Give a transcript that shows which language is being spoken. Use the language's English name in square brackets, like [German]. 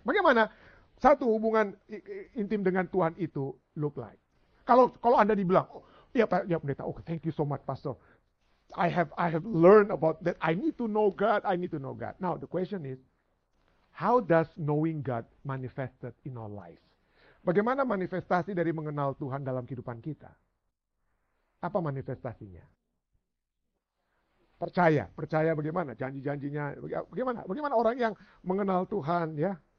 [Indonesian] Bagaimana satu hubungan intim dengan Tuhan itu [English] look like? [Indonesian] Kalau Anda dibilang, oh, ya pendeta, oh, [English] thank you so much, Pastor. I have learned about that. I need to know God. I need to know God. Now, the question is, how does knowing God manifested in our lives? [Indonesian] Bagaimana manifestasi dari mengenal Tuhan dalam kehidupan kita? Apa manifestasinya? Percaya. Percaya bagaimana? Janji-janjinya. Bagaimana? Bagaimana orang yang mengenal Tuhan, ya?